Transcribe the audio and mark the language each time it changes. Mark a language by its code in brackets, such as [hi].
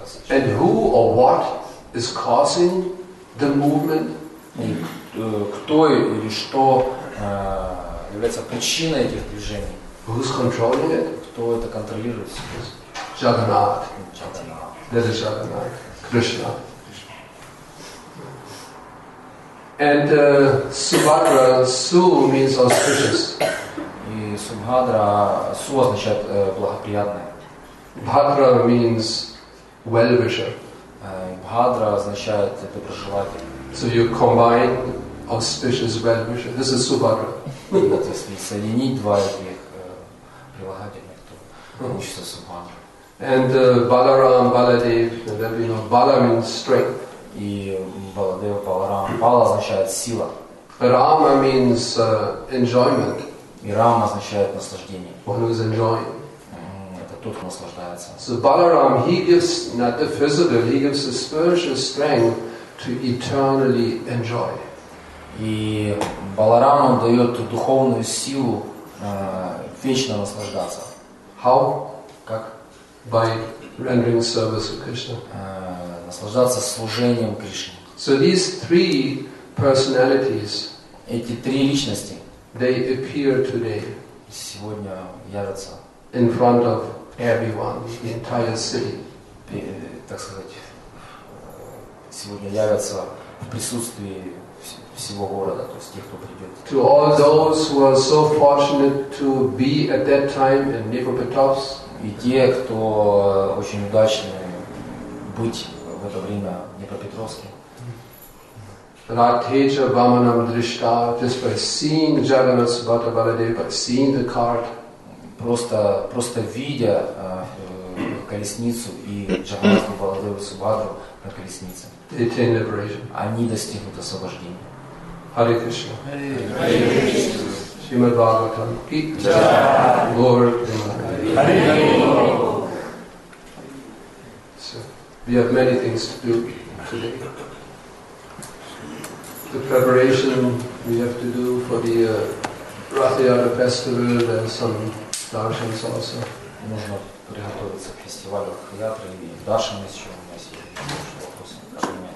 [en] And who or what is causing the movement? [ru] Кто или что является причиной этих движений? [en] Who's controlling it? [ru] Кто это контролирует? [en] Jagannath. [ru] Jagannath. [en] That is Jagannath. Krishna. And Subhadra, Su means auspicious. [ru] И Субхадра, Су означает благоприятное. [en] Bhadra means well-wisher. [ru] Bhadra означает доброжелатель. [en] So you combine auspicious well-wisher. This is Subhadra. [ru] Если соединить два этих прилагательных, то получится Субхадра. [en] And Balaram, Baladev, and then, you know, Bala means strength. [ru] И Баладева, Баларам. Бала означает сила. [en] Рама means enjoyment. [ru] И Рама означает наслаждение. [en] One who is enjoying. [ru] Это тот, кто наслаждается. [en] So Balaram, he gives not the physical, he gives the spiritual strength to eternally enjoy. [ru] И Баларам дает духовную силу вечно наслаждаться. [en] How? [ru] Как? [en] By rendering service to Krishna. [ru] Наслаждаться служением Кришне. [en] So these three personalities, [ru] эти три личности, [en] they appear today, [ru] сегодня явятся [en] in front of everyone, the entire city, [ru] так сказать, сегодня явятся в присутствии всего города, то есть тех, кто придет. [en] To all those who are so fortunate to be at that time in Nipopetovs, [ru] и те, кто очень удачны быть в это время Днепропетровске. [sa] Ратхеча Ваманам Дришта, [en] just by seeing Jagannath Subhadra Baladev, by seeing the cart. [ru] Просто видя колесницу и Jagannath Baladev Subhadra на колеснице. [en] They attain liberation. [ru] Они достигнут освобождения. [en] Hare Krishna. [ru] Hare Krishna. [en] Srimad Bhagavatam. Gita. Lord. Hare Krishna. We have many things to do today. The preparation we have to do for the Rathayatra festival, and some darshans also. [ru] Нужно приготовиться к фестивалю Рахаятры и даршан еще у нас есть.